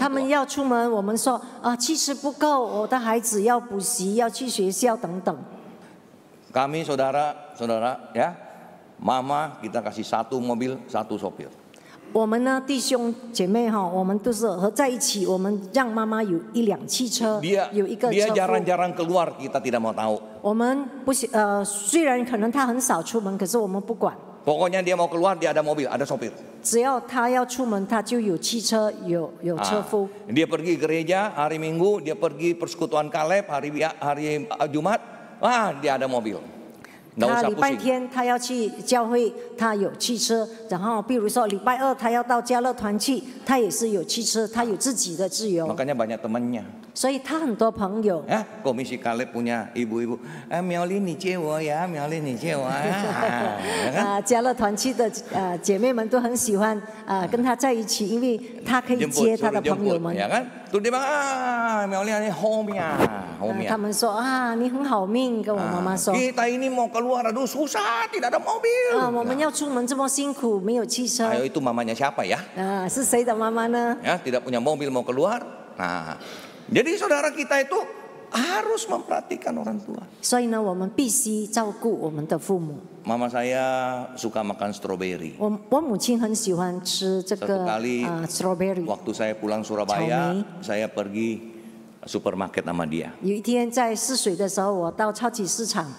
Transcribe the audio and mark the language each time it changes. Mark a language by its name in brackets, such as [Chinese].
[Chinese] 他们要出门，我们说啊，汽车不够，我的孩子要补习，要去学校等等。 [Indonesian] Kami saudara saudara ya， mama kita kasih satu mobil satu sopir。 [Chinese] 我们呢，弟兄姐妹哈，我们都是合在一起，我们让妈妈有一辆汽车，有一个车库。 [Indonesian] Dia jarang-jarang keluar, kita tidak mau tahu. [Chinese] 我们不虽然可能他很少出门，可是我们不管。 [Indonesian] Pokoknya dia mau keluar, dia ada mobil, ada sopir. [Chinese] 只要他要出门，他就有汽车，有车夫。 [Indonesian] Dia pergi gereja hari Minggu, dia pergi persekutuan Kaleb hari Jumat, dia ada mobil. [Chinese] 他礼拜天他要去教会，他有汽车。然后，比如说礼拜二他要到家乐团去，他也是有汽车，他有自己的自由。 [Indonesian] Makanya banyak temannya. [Chinese] 所以他很多朋友。 [Indonesian] Ya, komisi Kaleb punya ibu-ibu. [Chinese] Miaoli, 你接我呀 ，Miaoli, 你接我呀。啊，家乐团去的姐妹们都很喜欢跟他在一起，因为他可以接他的朋友们。 [Indonesian] Ya kan? Tu dia bang, Miaoli, ini home ya, home ya. [Chinese] 他们说你很好命，跟我妈妈说。 [Indonesian] Kita ini mau keluar, aduh susah, tidak ada mobil. [Chinese] 啊，我们要出门这么辛苦，没有汽车。 [Indonesian] Ayo, itu mamanya siapa ya? [Chinese] 啊，是谁的妈妈呢 [Indonesian] ？Ya, tidak punya mobil mau keluar, nah. Jadi saudara kita itu harus memperhatikan orang tua. [Chinese] So, ini, 我们必须照顾我们的父母。 [Indonesian] Mama saya suka makan strawberry. [Chinese] 我母亲很喜欢吃这个 strawberry. [Indonesian] Waktu saya pulang Surabaya, saya pergi supermarket sama dia. [Chinese] 有一天在试水的时候，我到超级市场。